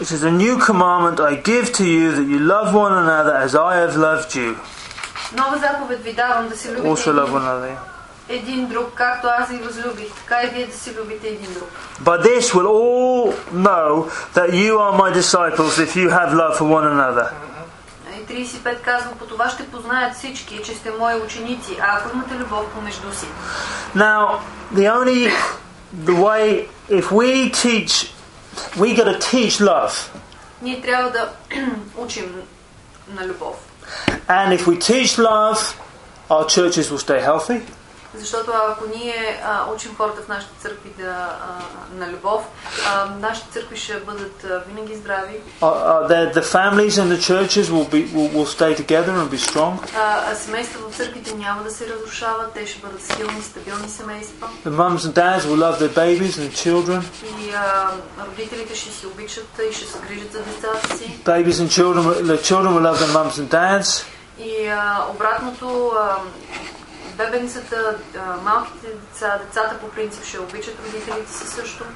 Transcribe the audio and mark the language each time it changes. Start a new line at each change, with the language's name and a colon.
English: It says, a new commandment I give to you that you love one another as I have loved you.
Bulgarian: Нова заповед ви давам да се любите.
English: Also love one another.
Bulgarian: Един друг, както аз ви възлюбих, така и вие да се любите един друг.
English: By this will all know that you are my disciples if you have love for one another.
Bulgarian: 35 казва, по това ще познаят всички, че сте мои ученици, а ако имате любов помежду си.
English: Now, the way, if we teach, we gotta teach love.
Bulgarian: Ние трябва да учим на любов.
English: And if we teach love, our churches will stay healthy.
Bulgarian: Защото ако ние учим хората в нашите църкви да на любов, нашите църкви ще бъдат винаги здрави.
English: The families and the churches will stay together and be strong.
Bulgarian: Семействата в църквите няма да се разрушават, те ще бъдат силни, стабилни семейства.
English: The mums and dads will love their babies and children.
Bulgarian: И родителите ще се обичат и ще се грижат за децата си.
English: Babies and children, the children will love their mums and dads.
Bulgarian: И обратното, бебенцата, малките деца, децата по принцип ще обичат родителите си също.